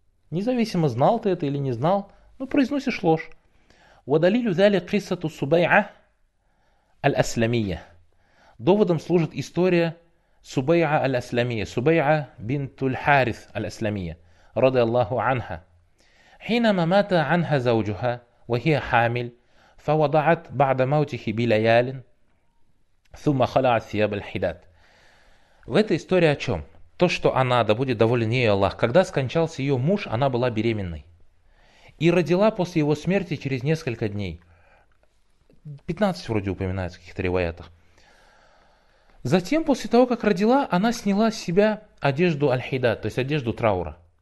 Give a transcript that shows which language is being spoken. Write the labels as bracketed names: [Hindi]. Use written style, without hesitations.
[Russian] Независимо, знал ты это или не знал, ну произносишь ложь. [Arabic] Вадалилю зали киссату Субайа аль-Аслямия. [Russian] Доводом служит история Субайа аль-Аслямия. Субайа бинтуль Харис аль-Аслямия. Рады Аллаху анха. [Arabic] حينما مات عنها زوجها وهي حامل فوضعت بعد موته بليال ثم خلعت ثياب الحداد. [Russian] В этой истории о чем? то, что она, да будет доволен ей Аллах, когда скончался ее муж, она была беременной. И родила после его смерти через несколько дней. 15 вроде упоминается в каких-то риваятах. Затем, после того, как родила, она сняла с себя одежду аль-хида, то есть одежду траура.